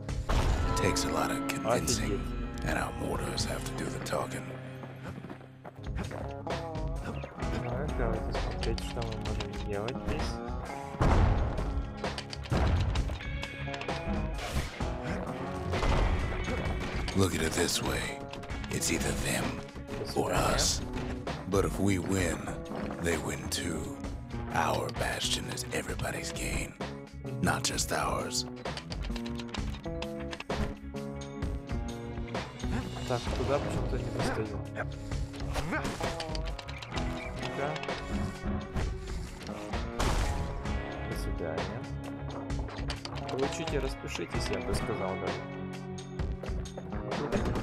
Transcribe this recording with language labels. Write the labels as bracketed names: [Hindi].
[English] It takes a lot of convincing, and our mortars have to do the talking. [Russian] Так, давайте смотреть, что мы можем сделать здесь. [English] Look at it this way. It's either them or us. But if we win, they win too. Our bastion is everybody's gain, not just ours. [Russian] Так, куда почему-то не достаю. Сюда. До свидания. Получите, распишитесь, я бы сказал, да.